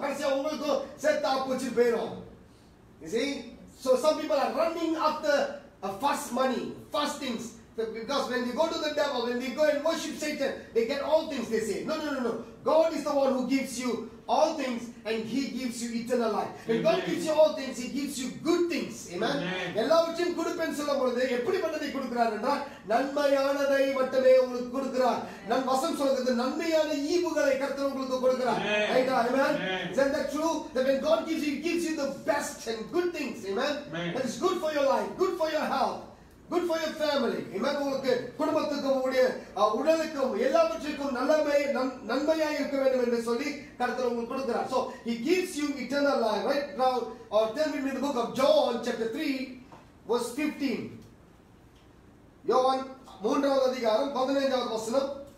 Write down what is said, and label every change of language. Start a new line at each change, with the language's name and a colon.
Tamil: கடைசியா உங்களுக்கும் சேர்த்து ஆப்பிச்சு போயிடும்.
English: You see? So some people are running after a fast money, fast things. Because when they go to the devil, when they go and worship Satan, they get all things, they say. No. God is the one who gives you all things and He gives you eternal life. When God gives you all things, He gives you good things. Amen.
Tamil: எல்லாவற்றையும் கொடுப்பேன்னு சொல்ல பொழுது எப்படிப்பட்டதை கொடுக்கிறார்? நன்மையானதை மட்டுமே உங்களுக்கு கொடுக்கிறார். நம் வசம் சொல்றது நன்மையான ஈவுகளை கர்த்தர் உங்களுக்கு கொடுக்கிறார்.
English: Right? Amen. Isn't that true? That when God gives you, He gives you the best and good things. Amen. That is good for your life, good for your health, good for your family. Amen.
Tamil: உங்களுக்கு குடும்பத்துக்கும் உடலுக்கும் எல்லாவற்றுக்கும் நன்மையா இருக்க வேண்டும் என்று சொல்லி கர்த்தர் உங்களுக்கு கொடுக்கிறார்.
English: So He gives you eternal life. Right now, or tell me in the book of John chapter 3 verse 15.
Tamil: யோவான் மூன்றாவது அதிகாரம் 15வது வசனம்.